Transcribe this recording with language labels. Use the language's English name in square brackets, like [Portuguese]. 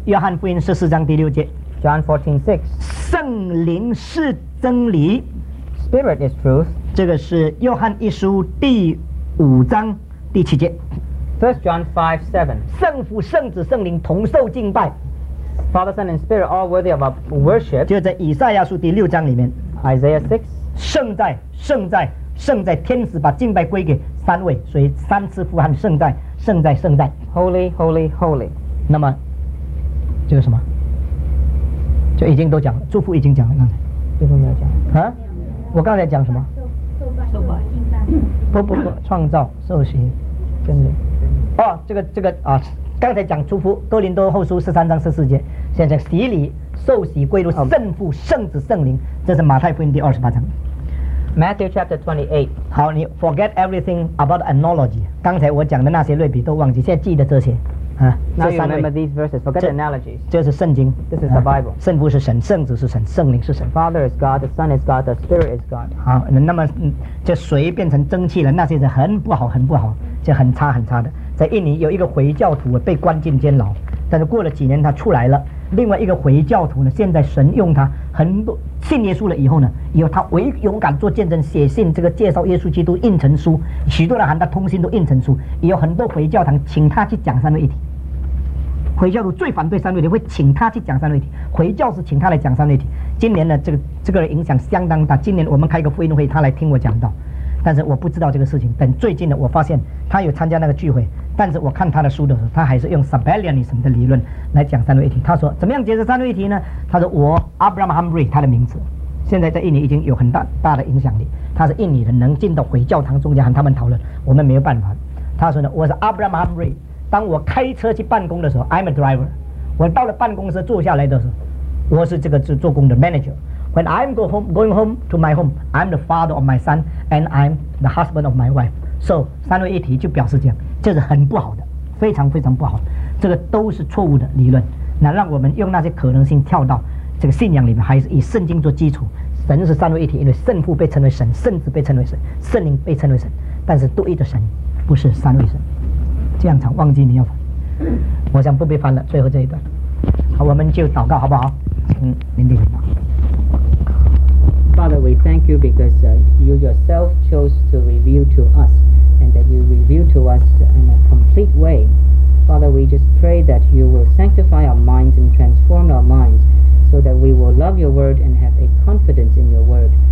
[Chinese] 约翰福音十四章第六节。 [English] John 14:6. [Chinese] 圣灵是真理。 [English] Spirit is truth. [Chinese] 这个是约翰一书第五章第七节。 [English] 1 John 5:7. [Chinese] 圣父圣子圣灵同受敬拜。 [English] Father, Son and Spirit all worthy of our worship. [Chinese] 就在以赛亚书第六章里面。 [English] Isaiah 6. [Chinese] 圣在圣在圣在，天使把敬拜归给三位，所以三次呼喊圣在圣在圣在 [English] Holy Holy Holy. [Chinese] 那么这个什么就已经都讲了，祝福已经讲了，刚才祝福没有讲啊，我刚才讲什么受敬拜创造受洗真理哦，这个啊，刚才讲祝福哥林多后书十三章十四节，现在洗礼受洗归入圣父圣子圣灵，这是马太福音第二十八章 [English] Matthew 28. [Chinese] 好，你 [English] forget everything about analogy. [Chinese] 刚才我讲的那些类比都忘记，现在记得这些。 [English] Now you remember these verses. Forget the analogies. [Chinese] 这是圣经。 [English] This is the Bible. [Chinese] 圣父是神，圣子是神，圣灵是神。 [English] The Father is God, the Son is God, the Spirit is God. [Chinese] 好，那么这水变成蒸汽了，那些是很不好，很不好，就很差很差的。在印尼有一个回教徒被关进监牢，但是过了几年他出来了。另外一个回教徒呢，现在神用他很多信耶稣了以后呢，有他唯勇敢做见证，写信这个介绍耶稣基督，印成书，许多人喊他通信都印成书，也有很多回教堂请他去讲三位一体。回教徒最反对三位一体，会请他去讲三位一体，回教是请他来讲三位一体。今年呢，这个影响相当大，今年我们开一个福音会，他来听我讲道，但是我不知道这个事情。等最近呢，我发现他有参加那个聚会，但是我看他的书的时候，他还是用 Sabellianism 的理论来讲三位一体。他说怎么样解释三位一体呢？他说我 Abraham Humphrey， 他的名字现在在印尼已经有很大大的影响力，他是印尼人，能进到回教堂中间和他们讨论，我们没有办法。他说呢，我是 Abraham Humphrey， 当我开车去办公的时候 [English] I'm a driver， [Chinese] 我到了办公室坐下来的时候，我是这个做工的 manager。 [English] When I'm going home to my home, I'm the father of my son, and I'm the husband of my wife. [Chinese] So, 三位一体就表示这样，这是很不好的，非常非常不好的，这个都是错误的理论。那让我们用那些可能性跳到这个信仰里面，还是以圣经做基础。神是三位一体，因为圣父被称为神，圣子被称为神，圣灵被称为神，但是独一的神不是三位神。这样才忘记你要翻，我想不必翻了，最后这一段。好，我们就祷告好不好？请林弟兄。 [English] Father, we thank you because you yourself chose to reveal to us and that you reveal to us in a complete way. Father, we just pray that you will sanctify our minds and transform our minds so that we will love your word and have a confidence in your word.